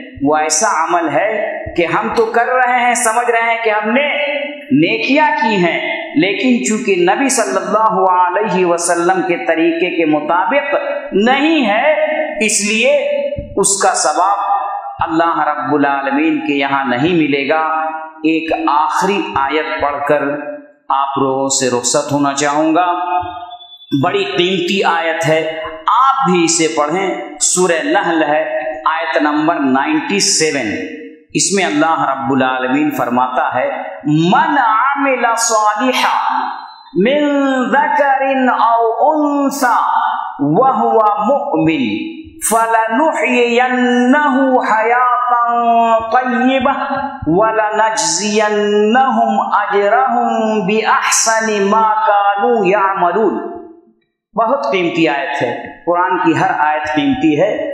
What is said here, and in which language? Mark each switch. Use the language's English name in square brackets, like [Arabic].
[Urdu] وہ ایسا عمل ہے کہ ہم تو کر رہے ہیں, سمجھ رہے ہیں کہ ہم نے نیکیاں کی ہیں, لیکن چونکہ نبی صلی اللہ علیہ وسلم کے طریقے کے مطابق نہیں ہے, اس لیے اس کا ثواب اللہ رب العالمین کے یہاں نہیں ملے گا. ایک آخری آیت پڑھ کر آپ لوگوں سے رخصت ہونا چاہوں گا, بڑی قیمتی آیت ہے, آپ بھی اسے پڑھیں. سورہ نحل ہے, آیت نمبر 97. اس میں اللہ رب العالمین فرماتا ہے, [Arabic] من عمل صالحا من ذکر او انثى وهو مؤمن فلنحيينه حياة طيبة ولنجزينهم اجرهم باحسن ما كانوا يعملون. [Urdu] بہت قیمتی آیت ہے, قرآن کی ہر آیت قیمتی ہے.